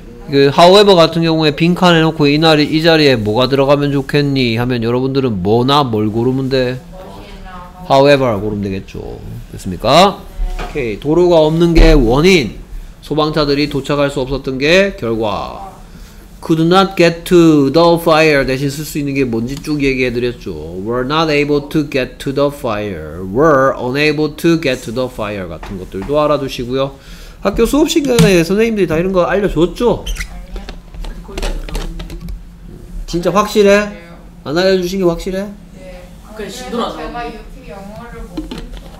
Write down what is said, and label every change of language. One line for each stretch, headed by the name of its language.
Korean: 그 however 같은 경우에 빈칸 해놓고 이날이 이 자리에 뭐가 들어가면 좋겠니 하면 여러분들은 뭐나 뭘 고르면 돼? However 고르면 되겠죠. 됐습니까? 오케이. 도로가 없는 게 원인. 소방차들이 도착할 수 없었던 게 결과.
English: Could not get to the fire
Korean: 대신 쓸 수 있는 게 뭔지 쭉 얘기해 드렸죠.
English: Were not able to get to the fire. Were unable to get to the fire
Korean: 같은 것들도 알아두시고요. 학교 수업 시간에 선생님들이 다 이런 거 알려줬죠? 진짜 확실해? 안 알려주신 게 확실해? 네. 그러니까 시도라서. 제가 유튜브 영어를 못했어.